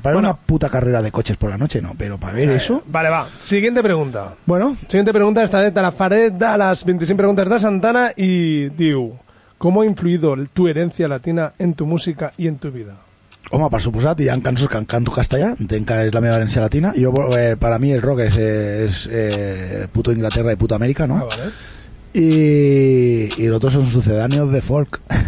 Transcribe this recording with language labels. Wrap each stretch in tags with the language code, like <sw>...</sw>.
<es>Para una puta carrera de coches por la noche, no, pero para ver eso... Vale, va. Siguiente pregunta. Bueno. Siguiente pregunta, esta vez te la faré de las 25 preguntas de Santana y diu, ¿cómo ha influido tu herencia latina en tu música y en tu vida?</es> <ca>Home, per suposat, hi ha cançons que canto castellà, entenc que és la meva herència latina. Jo, per a mi el rock és puto Inglaterra i puto Amèrica, no? Ah, vale.</ca> <es>Y los otros son sucedáneos de folk.</es>